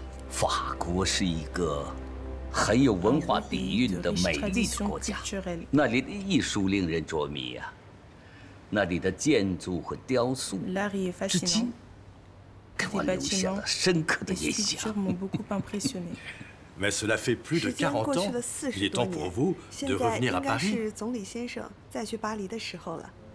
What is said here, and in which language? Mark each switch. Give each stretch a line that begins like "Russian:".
Chinese: 法国是一个很有文化底蕴的美丽的国家，那里的艺术令人着迷呀。那里的建筑和雕塑，至今给我留下了深刻的印象。
French: Mais cela fait plus de 40 ans, il est temps pour vous de revenir à Paris。
Chinese: 现在应该是总理先生再去巴黎的时候了。